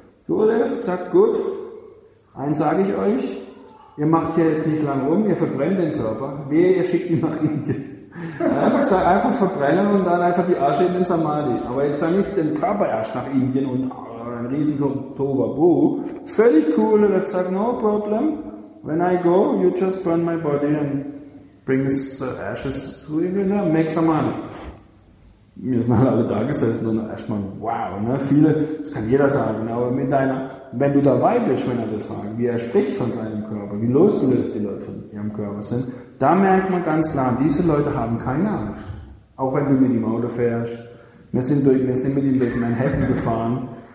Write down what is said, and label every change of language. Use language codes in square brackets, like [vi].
[de] Gurudev sagt, gut, eins sage ich euch, ihr macht hier jetzt nicht lang rum, ihr verbrennt den Körper, wehe, ihr schickt ihn nach Indien. Einfach verbrennen und dann einfach die Asche in den Samadhi. Aber jetzt dann nicht den Körper erst nach Indien und ein riesen Tohuwabohu. Völlig cool, und er hat gesagt, [en] no problem. When I go, you just burn my body and bring the ashes to you, and make some money. [de] Wir sind halt alle da gesessen und erstmal, wow, ne? Viele, das kann jeder sagen, aber mit deiner, wenn du dabei bist, wenn er das sagt, wie er spricht von seinem Körper, wie losgelöst die Leute von ihrem Körper sind, da merkt man ganz klar, diese Leute haben keine Angst. Auch wenn du mit ihm Auto fährst, wir sind mit ihm durch Manhattan gefahren.